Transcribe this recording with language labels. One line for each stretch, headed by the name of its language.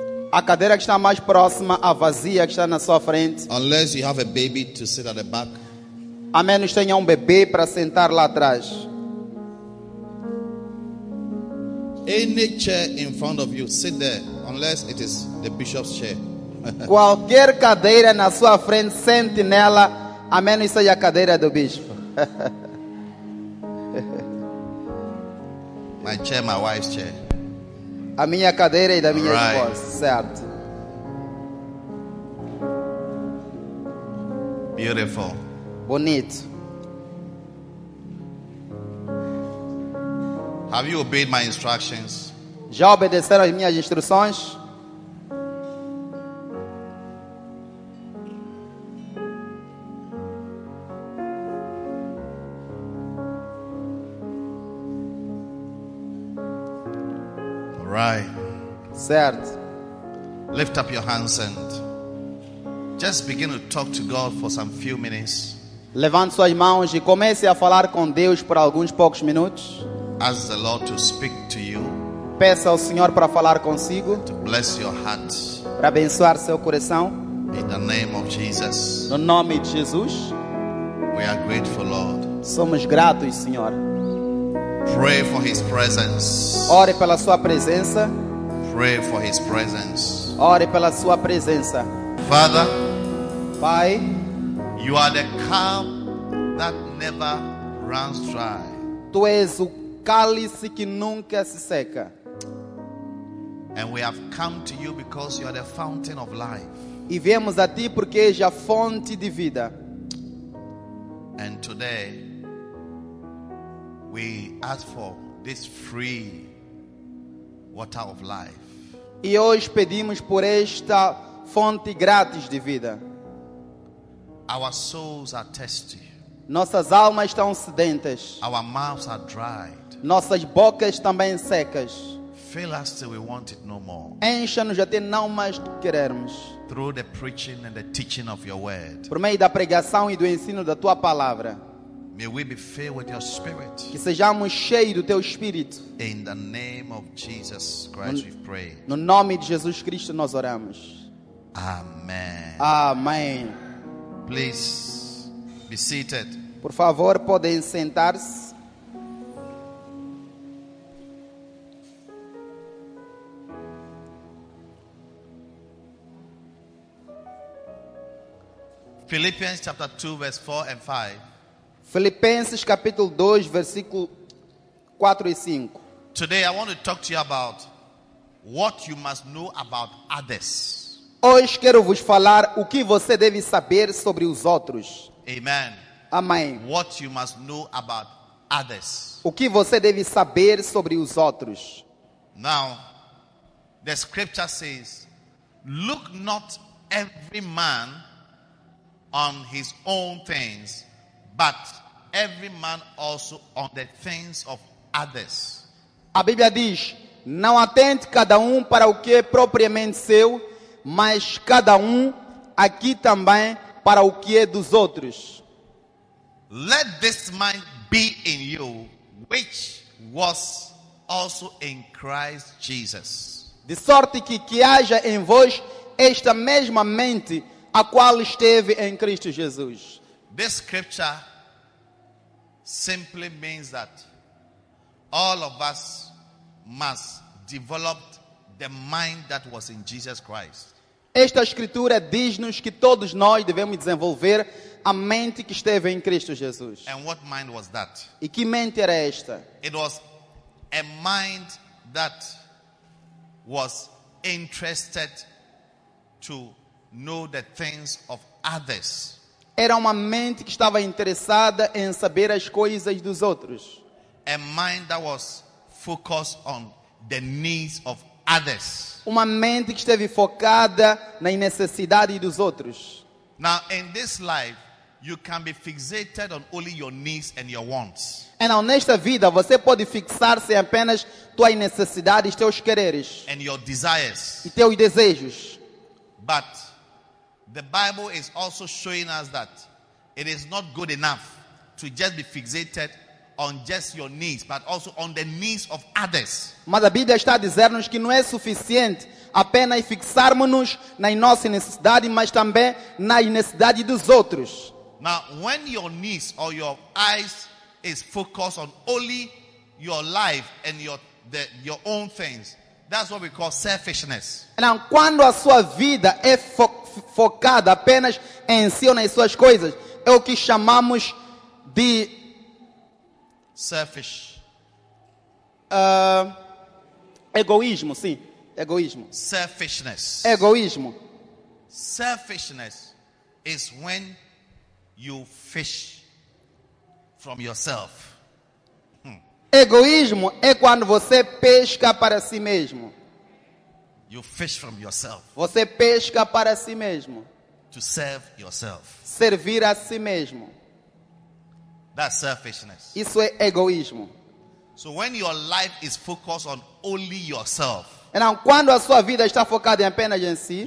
Portuguese: A cadeira que está mais próxima à vazia que está na sua frente.
English: Unless you have a baby to sit at the back.
Portuguese: A menos tenha bebê para sentar lá atrás.
English: Any chair in front of you, sit there, unless it is the bishop's chair.
Portuguese: Qualquer cadeira na sua frente, sente nela, a menos seja a cadeira do bispo.
English: My chair, my wife's chair.
Portuguese: A minha cadeira e da minha esposa, certo.
English: Beautiful.
Portuguese: Bonito.
English: Have you obeyed my instructions?
Portuguese: Já obedeceram as minhas instruções? Certo.
English: Lift up your hands and just begin to talk to God for some few minutes.
Portuguese: Levante suas mãos e comece a falar com Deus por alguns poucos minutos.
English: Ask the Lord to speak to you.
Portuguese: Peça ao Senhor para falar consigo.
English: To bless your heart.
Portuguese: Para abençoar seu coração.
English: In the name of Jesus.
Portuguese: No nome de Jesus.
English: We are grateful, Lord.
Portuguese: Somos gratos, Senhor.
English: Pray for His presence.
Portuguese: Ore pela sua presença.
English: Pray for His presence.
Portuguese: Ore pela sua presença.
English: Father,
Portuguese: Pai,
English: you are the cup that never runs dry.
Portuguese: Tu és o cálice que nunca se seca.
English: And we have come to you because you are the fountain of life.
Portuguese: E viemos a ti porque és a fonte de vida.
English: And today we ask for this free water of life.
Portuguese: E hoje pedimos por esta fonte grátis de vida.
English: Our souls are thirsty.
Portuguese: Nossas almas estão sedentas.
English: Our mouths are dried.
Portuguese: Nossas bocas também secas.
English: Fill us till we want it no more.
Portuguese: Encha-nos até não mais querermos.
English: Through the preaching and the teaching of your word.
Portuguese: Por meio da pregação e do ensino da tua palavra.
English: May we be filled with your spirit.
Portuguese: Que sejamos cheios do teu espírito.
English: In the name of Jesus Christ, we pray.
Portuguese: No nome de Jesus Cristo nós oramos.
English: Amen.
Portuguese: Amém.
English: Please be seated.
Portuguese: Por favor, podem sentar-se.
English: Philippians chapter 2 verse 4 and 5.
Portuguese: Filipenses capítulo 2, versículo 4 e 5.
English: Today I want to talk to you about what you must know about others.
Portuguese: Hoje quero vos falar o que você deve saber sobre os outros.
English: Amen.
Portuguese: Amém.
English: What you must know about others.
Portuguese: O que você deve saber sobre os outros.
English: Now, the scripture says, look not every man on his own things, but every man also on the things of others.
Portuguese: A Bíblia diz: não atente cada para o que é propriamente seu, mas cada aqui também para o que é dos outros.
English: Let this mind be in you, which was also in Christ Jesus.
Portuguese: De sorte que haja em vós esta mesma mente a qual esteve em Cristo Jesus.
English: This scripture simply means that all of us must develop the mind that was in Jesus Christ.
Portuguese: Esta escritura diz-nos que todos nós devemos desenvolver a mente que esteve em Cristo Jesus.
English: And what mind was that?
Portuguese: E que mente era esta?
English: It was a mind that was interested to know the things of others.
Portuguese: Era uma mente que estava interessada em saber as coisas dos outros.
English: A mind that was focused on the needs of others.
Portuguese: Uma mente que esteve focada na necessidade dos outros.
English: Now in this life, you can be fixated on only your needs and your wants.
Portuguese: Então, nesta vida, você pode fixar-se apenas tuas necessidades, teus quereres.
English: And your desires.
Portuguese: E teus desejos.
English: But the Bible is also showing us that it is not good enough to just be fixated on just your needs, but also on the needs of others.
Portuguese: Mas a Bíblia está a dizer-nos que não é suficiente apenas fixarmos-nos na nossa necessidade, mas também na necessidade dos outros.
English: Now, when your knees or your eyes is focused on only your life and your own things, that's what we call selfishness.
Portuguese: Now, quando a sua vida é focada apenas em si ou nas suas coisas, é o que chamamos de
English: selfish.
Portuguese: Egoísmo, sim. Egoísmo.
English: Selfishness.
Portuguese: Egoísmo.
English: Selfishness is when you fish from yourself.
Portuguese: Egoísmo é quando você pesca para si mesmo.
English: You fish from yourself.
Portuguese: Você pesca para si mesmo.
English: To serve yourself.
Portuguese: Servir a si mesmo.
English: That's selfishness.
Portuguese: Isso é egoísmo.
English: So when your life is focused on only yourself.
Portuguese: Então, quando a sua vida está focada apenas em si.